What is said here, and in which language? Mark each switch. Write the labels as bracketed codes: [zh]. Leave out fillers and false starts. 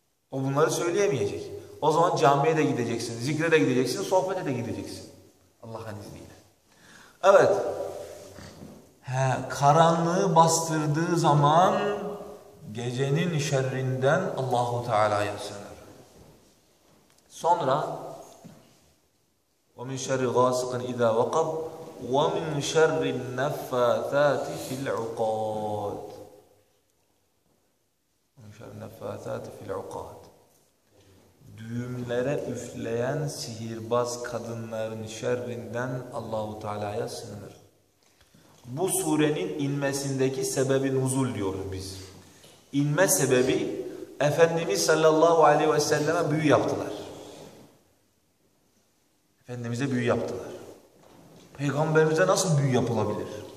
[tr] O bunları söyleyemeyecek. O zaman camiye de gideceksin, zikre de gideceksin, sohbete de gideceksin. Allah'ın izniyle. Evet. Karanlığı bastırdığı zaman gecenin şerrinden Allahu Teala'ya sığınır. [ar] Sonra وَمِنْ شَرِّ غَاسِقٍ اِذَا وَقَبْ وَمِنْ شَرِّ النَّفَّاثَاتِ فِي الْعُقَادِ وَمِنْ شَرِّ النَّفَّاثَاتِ فِي الْعُقَادِ [tr] Düğümlere üfleyen sihirbaz kadınların şerrinden Allahu Teala'ya sığınır. Bu surenin inmesindeki sebebi nuzul diyoruz biz. İnme sebebi Efendimiz sallallahu aleyhi ve selleme büyü yaptılar. Efendimiz'e büyü yaptılar. Peygamberimize nasıl büyü yapılabilir?